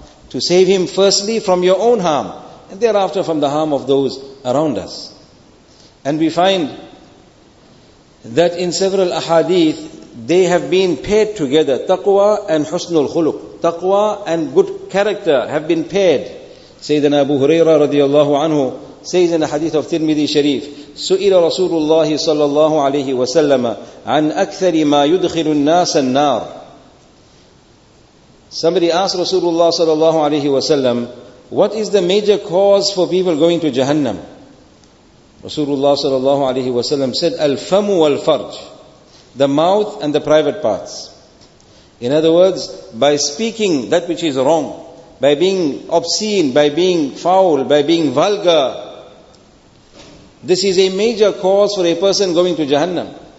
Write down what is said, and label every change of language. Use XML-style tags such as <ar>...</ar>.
<en>To save him firstly from your own harm, and thereafter from the harm of those around us. And we find that in several ahadith, they have been paired together, taqwa and husnul khuluq. Taqwa and good character have been paired. Sayyidina Abu Huraira radiallahu anhu says in a hadith of Tirmidhi Sharif,</en> <ar>سُئِلَ رَسُولُ اللَّهِ صَلَّى اللَّهُ عَلَيْهِ وَسَلَّمَ عَنْ أَكْثَرِ مَا يُدْخِلُ النَّاسَ النَّارِ.</ar> <en>Somebody asked Rasulullah sallallahu alayhi wa sallam, what is the major cause for people going to Jahannam? Rasulullah sallallahu alayhi wa sallam said,</en> <ar>الْفَمُ وَالْفَرْجِ,</ar> <en>the mouth and the private parts. In other words, by speaking that which is wrong, by being obscene, by being foul, by being vulgar, this is a major cause for a person going to Jahannam.</en>